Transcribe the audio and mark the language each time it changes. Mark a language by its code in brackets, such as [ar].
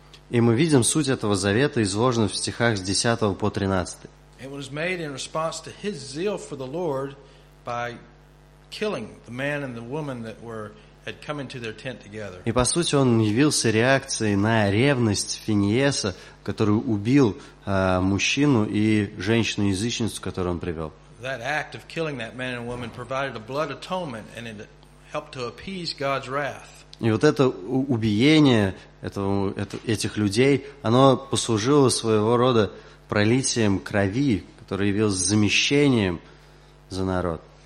[ru] И мы видим, суть этого завета изложена в стихах с 10 по 13. [en] It was made in response to his zeal for the Lord by killing the man and the woman that were had come into their tent together. [ru] И по сути он явился реакцией на ревность Финиеса, который убил мужчину и женщину-язычницу, которую он привел. [en] That act of killing that man and woman provided a blood atonement, and it helped to appease God's wrath. [ru] И вот это убиение этих людей, оно послужило своего рода пролитием крови, которое явилось замещением за народ.